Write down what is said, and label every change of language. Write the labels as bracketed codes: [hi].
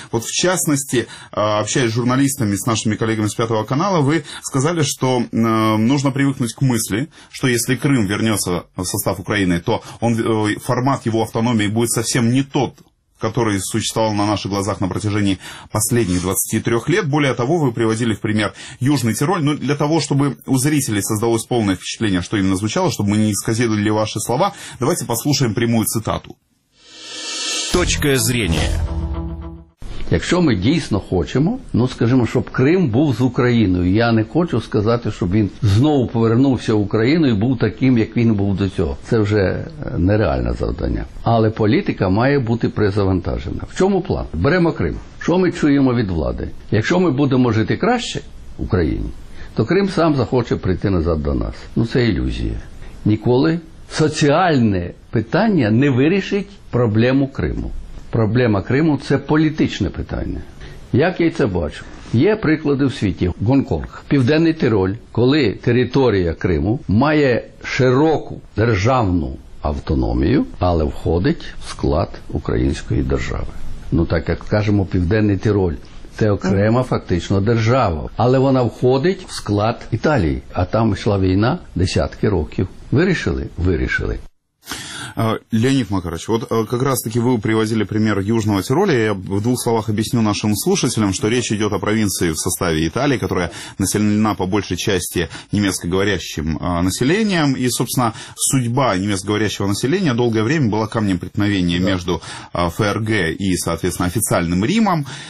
[ru] Вот в частности, общаясь с журналистами, с нашими коллегами с Пятого канала, вы сказали, что нужно привыкнуть к мысли, что если Крым вернется в состав Украины, то он, формат его автономии будет совсем не тот, который существовал на наших глазах на протяжении последних 23 лет. Более того, вы приводили в пример Южный Тироль. Но для того, чтобы у зрителей создалось полное впечатление, что именно звучало, чтобы мы не исказили ваши слова, давайте послушаем прямую цитату. Точка зрения. [uk] Якщо ми дійсно хочемо, ну скажімо, щоб Крим був з Україною, я не хочу сказати, щоб він знову повернувся в Україну і був таким, як він був до цього. Це вже нереальне завдання. Але політика має бути перезавантажена. В чому план? Беремо Крим. Що ми чуємо від влади? Якщо ми будемо жити краще в Україні, то Крим сам захоче прийти назад до нас. Ну це ілюзія. Ніколи соціальне питання не вирішить проблему Криму. Проблема Криму – це політичне питання. Як я це бачу? Є приклади в світі. Гонконг, Південний Тироль, коли територія Криму має широку державну автономію, але входить в склад української держави. Ну, так як кажемо, Південний Тироль – це окрема фактично держава, але вона входить в склад Італії. А там йшла війна десятки років. Вирішили? Вирішили. [ru] Леонид Макарович, вот как раз-таки вы приводили пример Южного Тироля. Я в двух словах объясню нашим слушателям, что речь идет о провинции в составе Италии, которая населена по большей части немецкоговорящим населением. И, собственно, судьба немецкоговорящего населения долгое время была камнем преткновения между ФРГ и, соответственно, официальным Римом.